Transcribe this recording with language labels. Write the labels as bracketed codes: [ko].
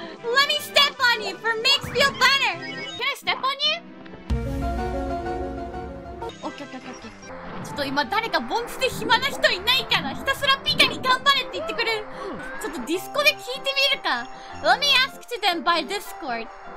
[en] Let me step on you for makes feel better. Can I step on you? Okay, okay, okay. [ja] ちょっと今誰かボンズで暇な人いないかな。ひたすらピカに頑張れって言ってくれる。ちょっとディスコで聞いてみるか。 [en] Let me ask to them by Discord.